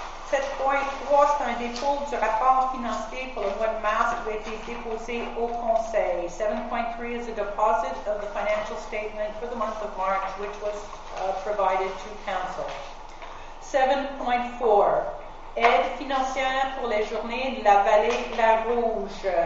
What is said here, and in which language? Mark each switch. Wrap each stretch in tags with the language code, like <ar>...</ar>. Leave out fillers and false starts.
<fr>7.3, c'est un dépôt du rapport financier pour le mois de mars qui a été déposé au conseil.</fr> <en>7.3 is a deposit of the financial statement for the month of March, which was provided to council. 7.4.</en> <fr>Aide financière pour les journées de la vallée La Rouge.</fr>